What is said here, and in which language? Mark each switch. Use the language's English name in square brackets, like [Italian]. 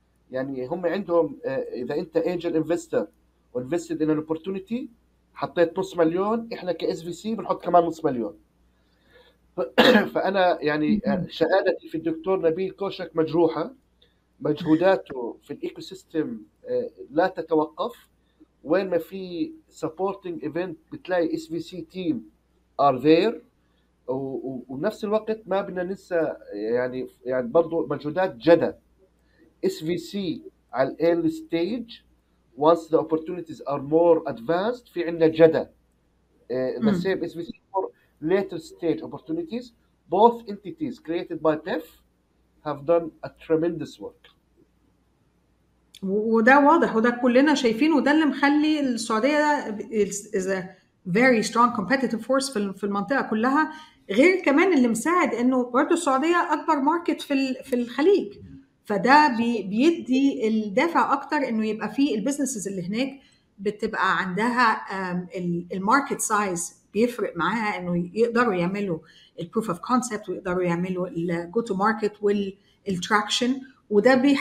[Arabic] يعني هم عندهم إذا أنت [English] angel investor invested in an opportunity [Arabic] حطيت نص مليون, إحنا كSVC بنحط كمان نص مليون. فأنا يعني شهادتي في الدكتور نبيل كوشك مجروحة, مجهوداته في الإيكو سيستم لا تتوقف. وين ما في [English] supporting event [Arabic] بتلاقي [English] SVC team are there. [Arabic] ونفس الوقت ما بدنا ننسى يعني برضو مجهودات جدا SVC على الـ [English] early stage once the opportunities are more advanced. [Arabic] في عندنا جدا [English] the same SVC for later stage opportunities. Both entities created by PEF have done a tremendous work. [Arabic] وده واضح وده كلنا شايفين, وده اللي مخلي السعودية [English] is a very strong competitive force [Arabic] في المنطقه كلها. غير كمان اللي مساعد انه برضه السعوديه اكبر ماركت في الخليج, فده بيدي الدافع اكتر انه يبقى في البيزنسز اللي هناك بتبقى عندها الماركت سايز, بيفرق معاها انه يقدروا يعملوا البروف اوف كونسبت ويقدروا يعملوا الجو تو ماركت والتراكشن, وده